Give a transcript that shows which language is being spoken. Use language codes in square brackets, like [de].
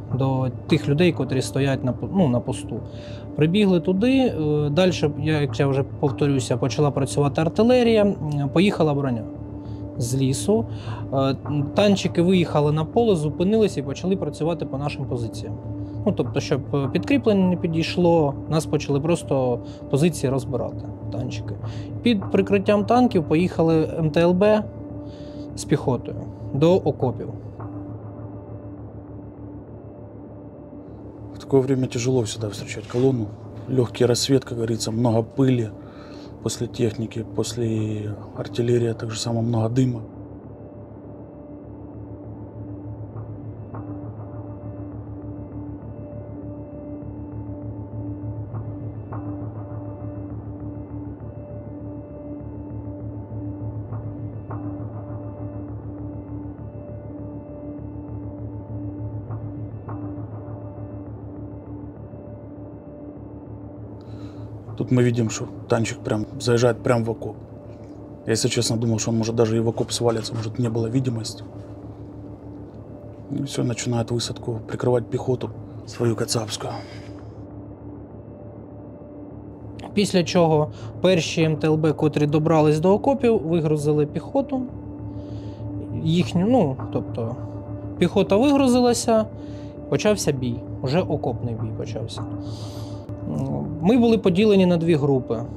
[uk] До тих людей, котрі стоять на посту. Прибігли туди, далі, як я вже повторюся, почала працювати артилерія, поїхала броня з лісу, танчики виїхали на поле, зупинилися і почали працювати по нашим позиціям. Ну, тобто, щоб підкріплення не підійшло, нас почали просто позиції розбирати, танчики. Під прикриттям танків поїхали МТЛБ з піхотою до окопів. [ru] В такое время тяжело всегда встречать колонну. Легкий рассвет, как говорится, много пыли после техники, после артиллерии, так же самое много дыма. Тут мы видим, что танчик прям заезжает прямо в окоп. Я, если честно, думал, что он может даже и в окоп свалится, может, не было видимости. И все, начинает высадку, прикрывать піхоту свою кацапскую. [uk] Після чого перші МТЛБ, котрі добрались до окопів, вигрузили піхоту. Їхню, ну, тобто, піхота вигрузилася, почався бій. Уже окопний бій почався. Ми були поділені на дві групи.